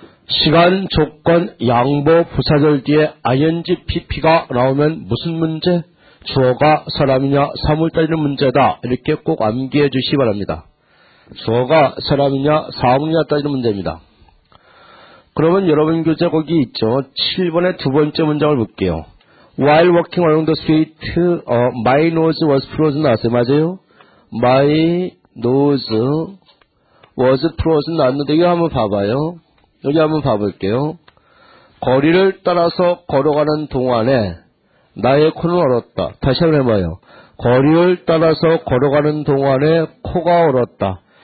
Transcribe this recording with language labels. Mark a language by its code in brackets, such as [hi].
[ko] 시간, 조건, 양보, 부사절 뒤에 ing, pp가 나오면 무슨 문제? 주어가 사람이냐 사물 따지는 문제다. 이렇게 꼭 암기해 주시기 바랍니다. 주어가 사람이냐 사물이냐 따지는 문제입니다. 그러면 여러분 교재 거기 있죠. 7번의 두 번째 문장을 볼게요. [en] While walking along the street, my nose was frozen. [ko] 나왔어요. 맞아요? [en] My nose was frozen. [ko] 나왔는데 이거 한번 봐봐요. 여기 한번 봐볼게요. 거리를 따라서 걸어가는 동안에 나의 코는 얼었다. 다시 한번 해봐요. 거리를 따라서 걸어가는 동안에 코가 얼었다.